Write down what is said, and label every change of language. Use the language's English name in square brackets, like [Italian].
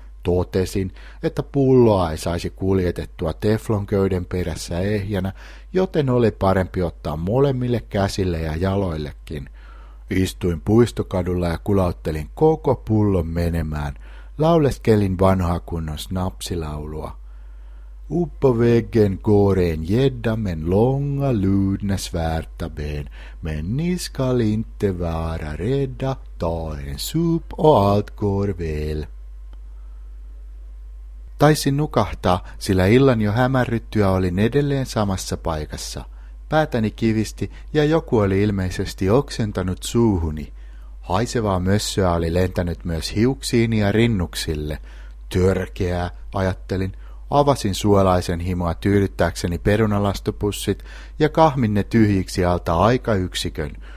[Finnish] Totesin, että pulloa ei saisi kuljetettua teflonköyden perässä ehjänä, joten oli parempi ottaa molemmille käsille ja jaloillekin. Istuin puistokadulla ja kulauttelin koko pullon menemään. Lauleskelin vanhaa kunnon snapsilaulua. [Swedish] Uppo väggen går en gädda men långa ludna svärta ben, men ni skall inte vara rädda, ta en sup och allt går väl. [Finnish] Taisin nukahtaa, sillä illan jo hämärryttyä olin edelleen samassa paikassa. Päätäni kivisti ja joku oli ilmeisesti oksentanut suuhuni. Haisevaa mössöä oli lentänyt myös hiuksiini ja rinnuksille. Törkeää, ajattelin. Avasin suolaisen himoa tyydyttääkseni perunalastopussit ja kahmin ne tyhjiksi alta aikayksikön.